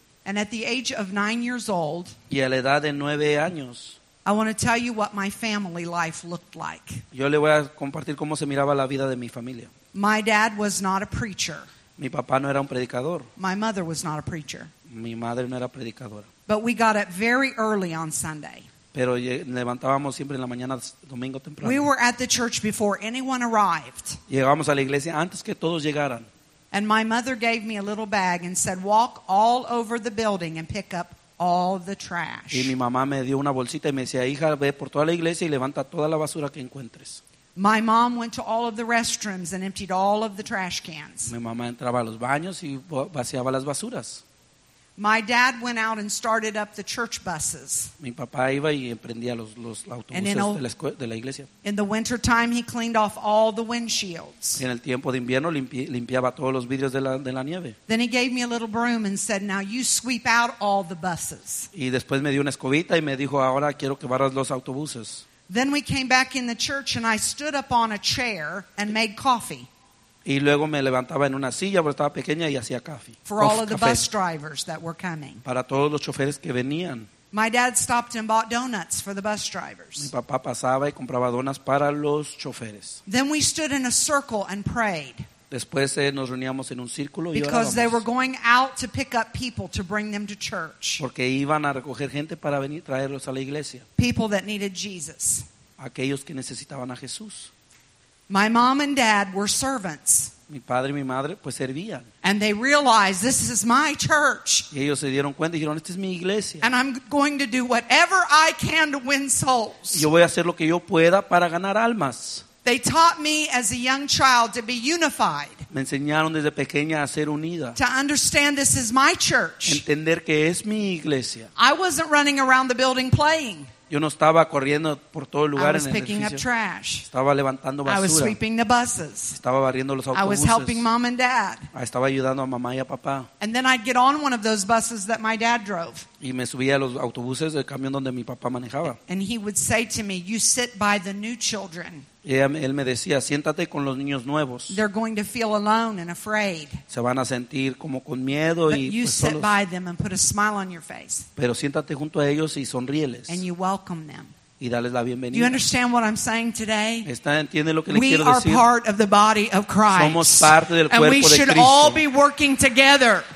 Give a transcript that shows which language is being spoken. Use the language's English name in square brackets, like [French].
[English] And at the age of 9 years old, [Spanish] y a la edad de 9 años, [English] I want to tell you what my family life looked like. [Spanish] Yo le voy a compartir cómo se miraba la vida de mi familia. [English] My dad was not a preacher. [Spanish] Mi papá no era un predicador. [English] My mother was not a preacher. [Spanish] Mi madre no era predicadora. [English] But we got up very early on Sunday. [Spanish] Pero levantábamos siempre en la mañana, domingo temprano. [English] We were at the church before anyone arrived. [Spanish] Llegábamos a la iglesia antes que todos llegaran. [English] And my mother gave me a little bag and said, "Walk all over the building and pick up all the trash." [Spanish] Y mi mamá me dio una bolsita y me decía, "Hija, ve por toda la iglesia y levanta toda la basura que encuentres." [English] My mom went to all of the restrooms and emptied all of the trash cans. [Spanish] Mi mamá entraba a los baños y vaciaba las basuras. [English] My dad went out and started up the church buses. [Spanish] Mi papá iba y emprendía los autobuses de la iglesia. [English] In the winter time, he cleaned off all the windshields. [Spanish] En el tiempo de invierno limpiaba todos los vidrios de la nieve. [English] Then he gave me a little broom and said, "Now you sweep out all the buses." [Spanish] Y después me dio una escobita y me dijo, "Ahora quiero que barras los autobuses." [English] Then we came back in the church and I stood up on a chair and made coffee. [Spanish] Y luego me levantaba en una silla porque estaba pequeña y hacía café. [English] For all of the bus drivers that were coming. [Spanish] Para todos los choferes que venían. [English] My dad stopped and bought donuts for the bus drivers. [Spanish] Mi papá pasaba y compraba donas para los choferes. [English] Then we stood in a circle and prayed. [Spanish] Después nos reuníamos en un círculo y [English] because they were going out to pick up people to bring them to church. [Spanish] Porque iban a recoger gente para venir traerlos a la iglesia. [English] People that needed Jesus. [Spanish] Aquellos que necesitaban a Jesús. [English] My mom and dad were servants. [Spanish] Mi padre y mi madre pues servían. [English] And they realized this is my church. [Spanish] Y ellos se dieron cuenta y dijeron esta es mi iglesia. [English] And I'm going to do whatever I can to win souls. [Spanish] Yo voy a hacer lo que yo pueda para ganar almas. [English] They taught me as a young child to be unified. [Spanish] Me enseñaron desde pequeña a ser unida. [English] To understand this is my church. [Spanish] Entender que es mi iglesia. [English] I wasn't running around the building playing. [Spanish] Yo no estaba corriendo por todo el lugar en el edificio. [English] I was picking up trash. [Spanish] Estaba levantando basura. [English] I was sweeping the buses. [Spanish] Estaba barriendo los autobuses. [English] I was helping mom and dad. [Spanish] Estaba ayudando a mamá y a papá. [English] And then I'd get on one of those buses that my dad drove. [Spanish] Y me subía a los autobuses del camión donde mi papá manejaba. [English] And he would say to me, "You sit by the new children." [Spanish] Y él me decía, siéntate con los niños nuevos. [English] They're going to feel alone and afraid. [Spanish] Se van a sentir como con miedo [English] but [Spanish] y [English] you [Spanish] pues [English] sit [Spanish] solos. [English] By them and put a smile on your face. [Spanish] Pero siéntate junto a ellos y sonríeles. [English] And you welcome them. [Spanish] Y dales la bienvenida. [English] Do you understand what I'm saying today? [Spanish] ¿Entiende lo que [English] we [Spanish] quiero [English] are [Spanish] decir? [English] Part of the body of Christ. [Spanish] Somos parte del [English] and [Spanish] cuerpo [English] we [Spanish] de [English] should [Spanish] Cristo. [English] All be working together.